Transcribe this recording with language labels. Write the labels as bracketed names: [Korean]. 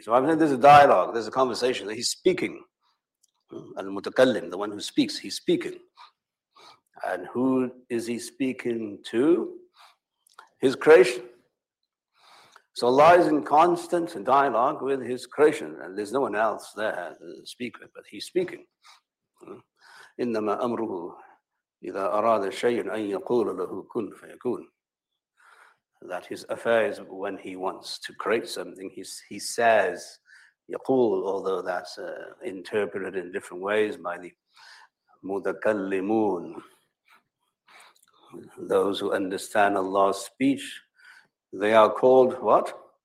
[English] So I'm saying there's a dialogue, there's a conversation. He's speaking. Al-Mutakallim, the one who speaks, he's speaking. And who is he speaking to? His creation. So Allah is in constant dialogue with his creation, and there's no one else there to speak with, but he's speaking. [Arabic] إِنَّمَا أَمْرُهُ إِذَا أَرَادَ شَيْءٍ أَن يَقُولَ لَهُ كُنْ فَيَكُونَ. [English] That his affair is when he wants to create something, he says, يقول, although that's interpreted in different ways by the مُدَكَلِّمُونَ. Those who understand Allah's speech, they are called what?